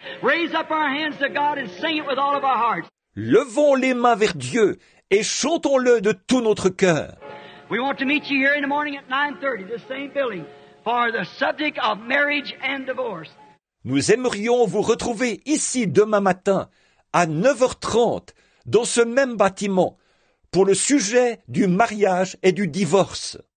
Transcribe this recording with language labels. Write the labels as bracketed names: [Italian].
[English] Raise up our hands to God and sing it with all of our hearts. [French] Levons les mains vers Dieu et chantons-le de tout notre cœur. [English] We want to meet you here in the morning at 9:30, the same building, for the subject of marriage and divorce. [French] Nous aimerions vous retrouver ici demain matin à 9h30 dans ce même bâtiment pour le sujet du mariage et du divorce.